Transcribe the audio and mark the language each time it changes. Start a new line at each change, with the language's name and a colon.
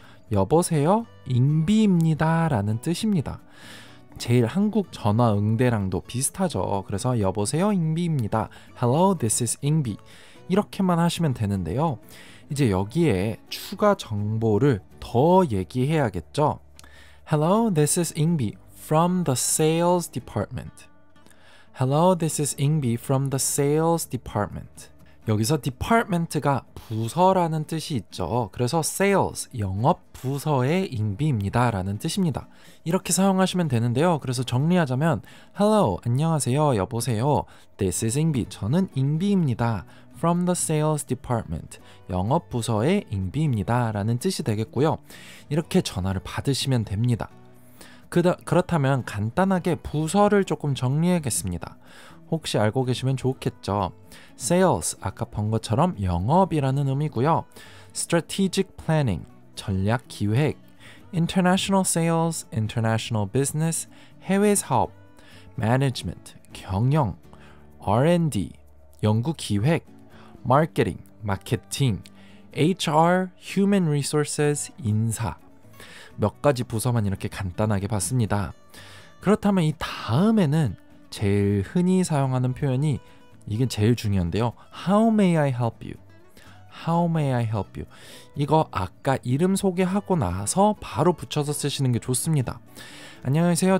Korean: 여보세요, 잉비입니다 라는 뜻입니다. 제일 한국 전화 응대랑도 비슷하죠. 그래서 여보세요, 잉비입니다.
English: Hello, this is Ingby.
Korean: 이렇게만 하시면 되는데요. 이제 여기에 추가 정보를 더 얘기해야겠죠.
English: Hello, this is Ingby from the sales department. Hello, this is Ingby from the sales department.
Korean: 여기서 department가 부서라는 뜻이 있죠. 그래서 sales, 영업 부서의 잉비입니다 라는 뜻입니다. 이렇게 사용하시면 되는데요. 그래서 정리하자면 Hello, 안녕하세요, 여보세요.
English: This is Ingby,
Korean: 저는 잉비입니다.
English: From the sales department,
Korean: 영업 부서의 잉비입니다 라는 뜻이 되겠고요. 이렇게 전화를 받으시면 됩니다. 그렇다면 간단하게 부서를 조금 정리하겠습니다. 혹시 알고 계시면 좋겠죠. Sales, 아까 본 것처럼 영업이라는 의미고요. Strategic planning, 전략 기획.
English: International sales, international business,
Korean: 해외 사업. Management, 경영. R&D, 연구 기획. Marketing, 마케팅. HR, human resources, 인사. 몇 가지 부서만 이렇게 간단하게 봤습니다. 그렇다면 이 다음에는 제일 흔히 사용하는 표현이 이게 제일 중요한데요.
English: How may I help you? How may I help you?
Korean: 이거 아까 이름 소개하고 나서 바로 붙여서 쓰시는 게 좋습니다. 안녕하세요.